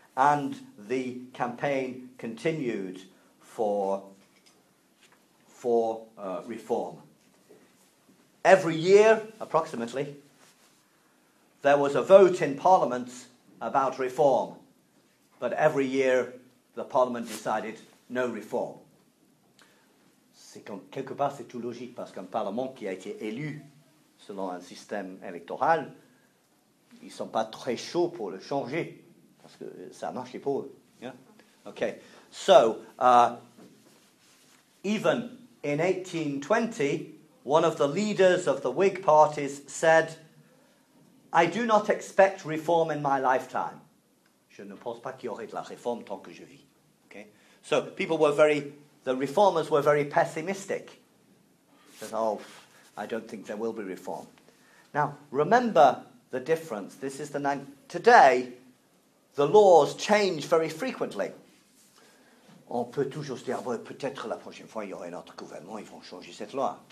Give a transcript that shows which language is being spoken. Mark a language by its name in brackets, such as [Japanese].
[English] And the campaign continued for reform. Every year, approximately, there was a vote in Parliament about reform, but every year the Parliament decided no reform. [French] Quelque part, c'est tout logique, parce qu'un Parlement qui a été élu selon un système électoral, ils sont pas très chauds pour le changer, parce que ça marche pas. [English] Yeah? Okay. So, even in 1820, one of the leaders of the Whig parties said, "I do not expect reform in my lifetime." [French] Je ne pense pas qu'il y aurait de la réforme tant que je vis. [English] Okay? So people were the reformers were very pessimistic. They said, "Oh, I don't think there will be reform." Now, remember the difference. This is the today, the laws change very frequently. [French] On peut toujours se dire, peut-être la prochaine fois, il y aura un autre gouvernement, ils vont changer cette loi.